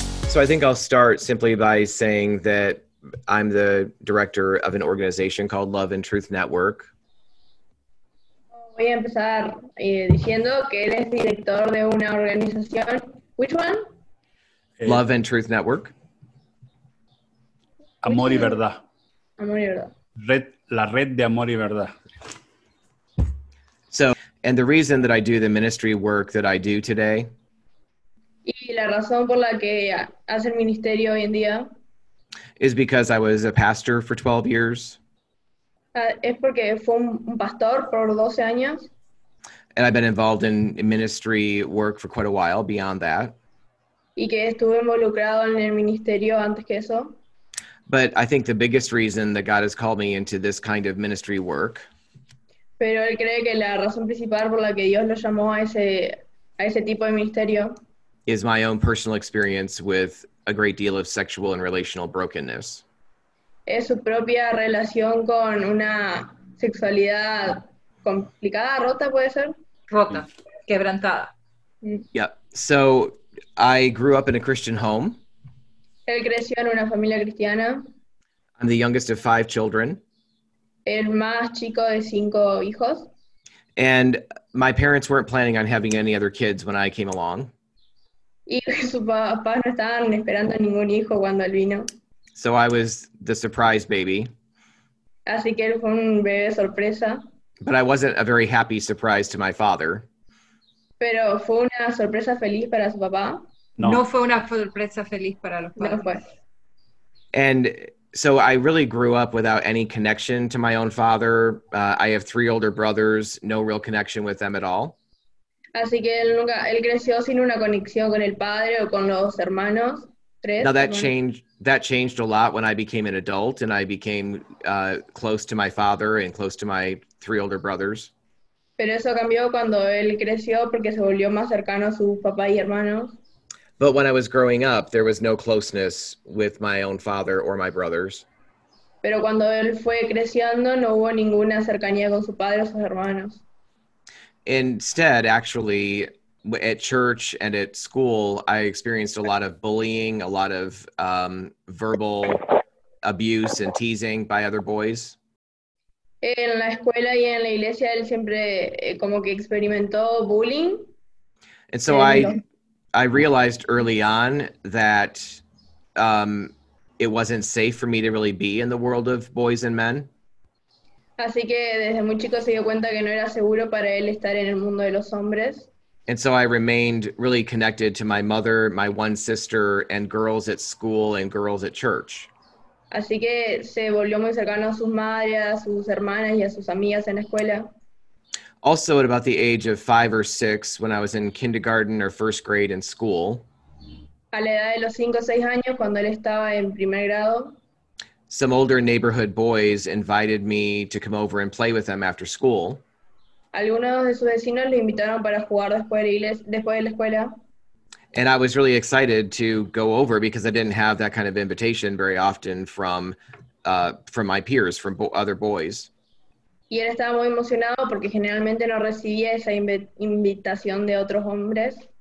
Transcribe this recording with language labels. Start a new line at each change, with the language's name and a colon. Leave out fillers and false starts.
English: So I think I'll start simply by saying that I'm the director of an organization called Love and Truth Network.
Spanish: Voy a empezar diciendo que eres director de una organización.
English: Which one? Love and Truth Network.
Spanish: Amor y verdad. Amor y verdad. La red de amor y verdad.
English: So, and the reason that I do the ministry work that I do today.
Spanish: Y la razón por la que hace el ministerio hoy en día.
English: Is because I was a pastor for 12 years.
Spanish: Es porque fue un pastor por 12 años.
English: And I've been involved in ministry work for quite a while beyond that.
Spanish: Y que estuve involucrado en el ministerio antes que eso.
English: But I think the biggest reason that God has called me into this kind of ministry work.
Spanish: Pero él cree que la razón principal por la que Dios lo llamó a ese tipo de ministerio.
English: Is my own personal experience with a great deal of sexual and relational brokenness.
Spanish: Es su propia relación con una sexualidad complicada, rota, puede ser. Rota, quebrantada.
English: Yeah. So I grew up in a Christian home.
Spanish: Él creció en una familia cristiana.
English: I'm the youngest of 5 children.
Spanish: El más chico de 5 hijos.
English: And my parents weren't planning on having any other kids when I came along.
Spanish: Y sus papás no estaban esperando ningún hijo cuando él vino.
English: So I was the surprise baby.
Spanish: Así que él fue un bebé sorpresa.
English: But I wasn't a very happy surprise to my father.
Spanish: Pero fue una sorpresa feliz para su papá. No fue una sorpresa feliz para los padres. No fue.
English: And so I really grew up without any connection to my own father. I have 3 older brothers, no real connection with them at all.
Spanish: Así que él creció sin una conexión con el padre o con los hermanos.
English: Now that changed a lot when I became an adult and I became close to my father and close to my 3 older brothers.
Spanish: Pero eso cambió cuando él creció porque se volvió más cercano a su papá y hermanos.
English: But when I was growing up, there was no closeness with my own father or my brothers.
Spanish: Pero cuando él fue creciendo, no hubo ninguna cercanía con su padre o sus hermanos.
English: Instead, actually, at church and at school, I experienced a lot of bullying, a lot of verbal abuse and teasing by other boys.
Spanish: En la escuela y en la iglesia, él siempre como que experimentó bullying.
English: And so I realized early on that it wasn't safe for me to really be in the world of boys and men.
Spanish: Así que desde muy chico se dio cuenta que no era seguro para él estar en el mundo de los hombres.
English: And so I remained really connected to my mother, my one sister, and girls at school and girls at church.
Spanish: Así que se volvió muy cercano a sus madres, a sus hermanas y a sus amigas en la escuela.
English: Also at about the age of 5 or 6, when I was in kindergarten or first grade in school.
Spanish: A la edad de los 5 o 6 años, cuando él estaba en primer grado.
English: Some older neighborhood boys invited me to come over and play with them after school.
Spanish: Algunos de sus vecinos lo invitaron para jugar después de la escuela.
English: And I was really excited to go over because I didn't have that kind of invitation very often from my peers, from other boys.
Spanish: Y él estaba muy emocionado porque generalmente no recibía esa invitación de otros hombres.